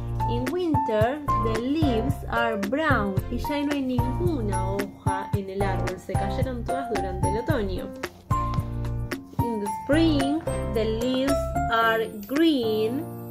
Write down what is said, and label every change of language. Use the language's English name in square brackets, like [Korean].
[English] In winter, the leaves are brown. [Spanish] Y ya no hay ninguna hoja en el árbol, se cayeron todas durante el otoño. [English] In the spring, the leaves are green.